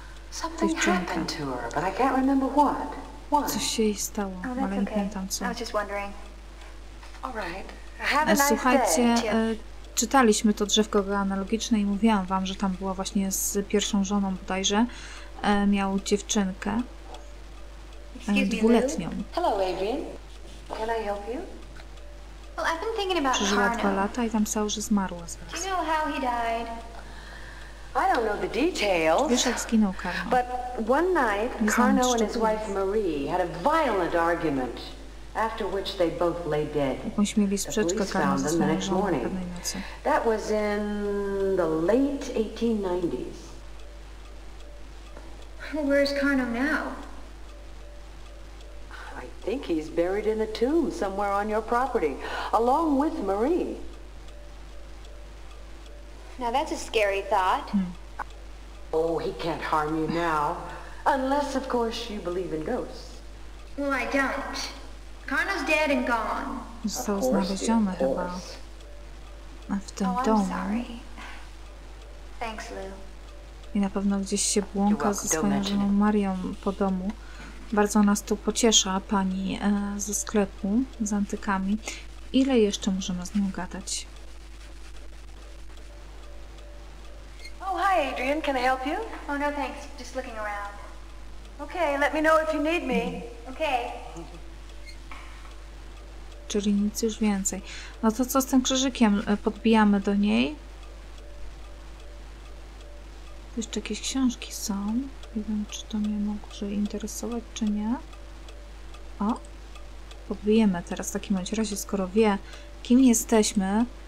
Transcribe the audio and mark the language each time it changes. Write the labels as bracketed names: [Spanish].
[English] Something happened to her, but I can't remember what. What? [Polish] Coś się jej stało, ale nie pamiętam co. [English] I was just wondering. All right. Have a nice [Polish] Słuchajcie, [English] day. [Polish] Czytaliśmy to drzewko genealogiczne i mówiłam wam, że tam była właśnie z pierwszą żoną bodajże. Miał dziewczynkę. Dwuletnią. [English] Hello, Adrian. Can I help you? Well, I've been thinking about [Polish] Przeżyła dwa lata i tam pisało, że zmarła zaraz. [English] Do you know how he died? I don't know the details. [Polish] Wiesz, jak zginął Carno. [English] But one night, Carno and his wife Marie had a violent argument, after which they both lay dead. [Polish] Jakąś mieli sprzeczkę Carno ze swoją żoną pewnej nocy. [English] That was in the late 1890s. Well, where is Carno now? I think he's buried in a tomb somewhere on your property, along with Marie. Now that's a scary thought. Oh, he can't harm you now. Unless, of course, you believe in ghosts. Well, I don't. Carno's dead and gone. [Polish] Został znaleziony chyba. W tym domu. [English] Oh, I'm sorry. Thanks, Lou. [Polish] I na pewno gdzieś się błąka ze swoją żoną Marią po domu. Bardzo nas tu pociesza pani ze sklepu z antykami. Ile jeszcze możemy z nią gadać? [English] Oh, hi Adrian, can I help you? Oh, no thanks, just looking around. Okay, let me know if you need me. Okay. [Polish] Czyli nic już więcej. No to co z tym krzyżykiem? Podbijamy do niej. Tu jeszcze jakieś książki są. Nie wiem, czy to mnie może interesować, czy nie. O! Podbijemy teraz w takim razie, skoro wie, kim jesteśmy.